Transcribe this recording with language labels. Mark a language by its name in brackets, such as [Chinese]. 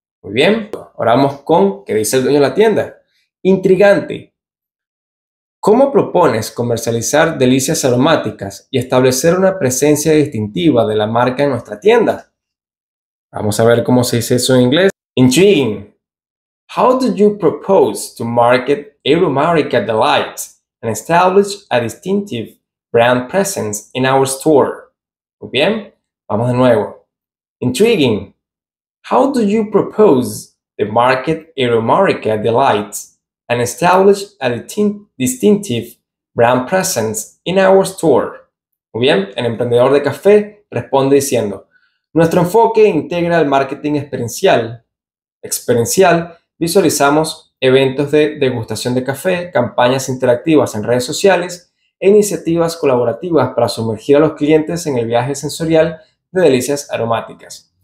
[Spanish] Muy bien, oramos con qué dice el dueño de la tienda. Intrigante. ¿Cómo propones comercializar delicias aromáticas y establecer una presencia distintiva de la marca en nuestra tienda? Vamos a ver cómo se dice eso en inglés. [English] Intriguing. How do you propose to market Aromarica Delights and establish a distinctive brand presence in our store? [Spanish] Muy bien, vamos de nuevo. [English] Intriguing. How do you propose to market Aromarica Delights and establish a distinctive brand presence in our store? [Spanish] Muy bien, el emprendedor de café responde diciendo, nuestro enfoque integra el marketing experiencial. Visualizamos eventos de degustación de café, campañas interactivas en redes sociales e iniciativas colaborativas para sumergir a los clientes en el viaje sensorial de delicias aromáticas.